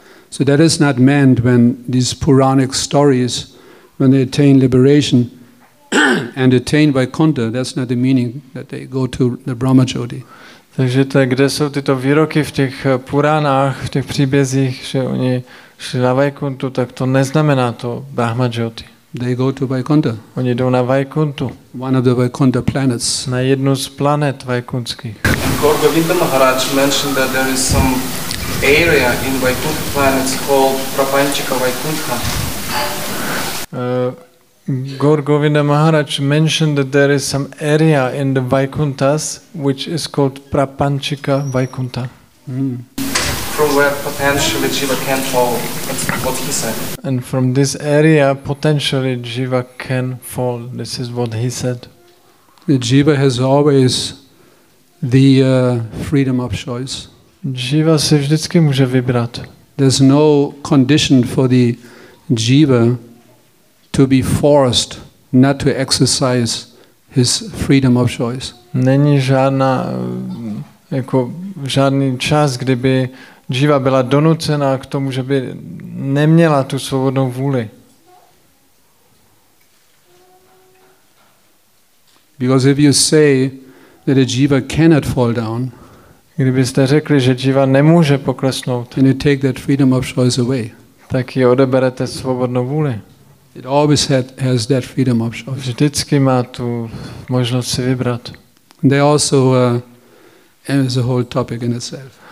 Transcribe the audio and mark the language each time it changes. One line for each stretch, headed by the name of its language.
English: So that is not meant when these Puranic stories, when they attain liberation and attain Vaikuntha, that's not the meaning that they go to the Brahma Jyoti.
Czech: Takže to, kde jsou tyto výroky v těch Puránách, v těch příbězích, že oni šli na Vaikuntu, tak to neznamená to Brahma Jyoti.
English: They go to Vaikuntha.
Czech: Oni jdou na Vaikuntu.
English: One of the Vaikuntha planets.
Czech: Na jednu z planet vaikuntských.
English: Gaur Govinda Maharaj mentioned that there is some area in Vaikuntha planets called Prapanchika Vaikuntha. Gaur Govinda Maharaj mentioned that there is some area in the Vaikunthas which is called Prapanchika Vaikuntha. Mm. From where potentially Jiva can fall, that's what he said. And from this area potentially Jiva can fall, this is what he said. Jiva has always the freedom of choice.
Czech: Jiva si vždycky může vybrat.
English: There's no condition for the Jiva to be forced not to exercise his freedom of choice.
Czech: Není žádná jako žádný čas, kdyby džíva byla donucena k tomu, že by neměla tu svobodnou vůli.
English: Because if you say that a jiva cannot fall down,
Czech: kdybyste řekli, že jiva nemůže poklesnout,
English: then you take that freedom of choice away.
Czech: Tak ji odeberete svobodnou vůli.
English: It always has that freedom of choice.
Czech: Vždycky má tu možnost si vybrat.
English: There also is a whole topic in itself.